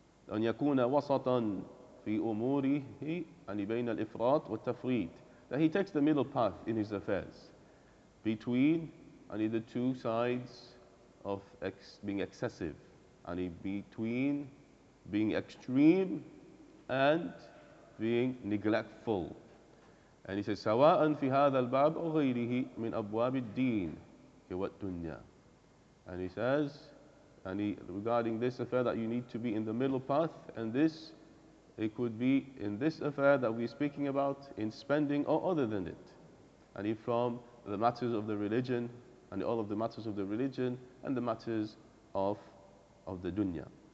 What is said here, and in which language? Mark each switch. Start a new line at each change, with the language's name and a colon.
Arabic: أَنْ يَكُونَ وَسَطًا فِي أُمُورِهِ أَنْ بَيْنَ الْإِفْرَاطِ وَالتَّفْرِيدِ.
English: That he takes the middle path in his affairs between only the two sides of being excessive, and between being extreme and being neglectful. And he says,
Arabic: سَوَاءً فِي هَذَا الْبَابِ وَغَيْرِهِ مِنْ أَبْوَابِ الدِّينِ هِوَ الدُّنْيَا.
English: And he says, and regarding this affair, that you need to be in the middle path, and this, it could be in this affair that we're speaking about, in spending or other than it. And from the matters of the religion, and all of the matters of the religion, and the matters of the dunya.